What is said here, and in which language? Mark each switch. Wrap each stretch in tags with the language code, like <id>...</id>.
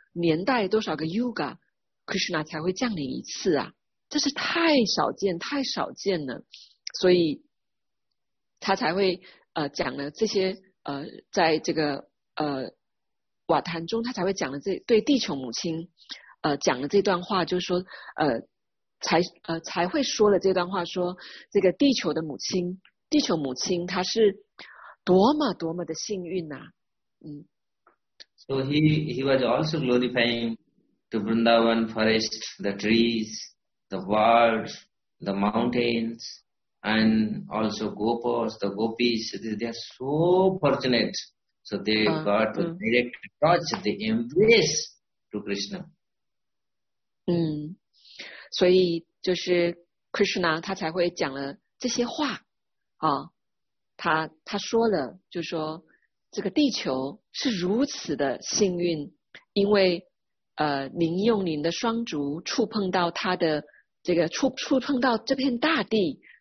<zh>年代多少个 Yuga Krishna 才会降临一次啊，这是太少见太少见了，所以他才会讲了这些在这个瓦坛中，他才会讲了这对地球母亲讲了这段话，就是说才会说了这段话，说这个地球的母亲，地球母亲她是多么多么的幸运啊。嗯。</zh> <en>So he was also glorifying to Vrindavan forest, the trees, the birds, the mountains. And also gopas, the gopis, they are so fortunate. So they got the direct touch, the embrace to Krishna.</en> <zh>嗯，所以就是 Krishna 他才会讲了这些话啊，他说了，就说这个地球是如此的幸运，因为您用您的双足触碰到他的这个触碰到这片大地。</zh>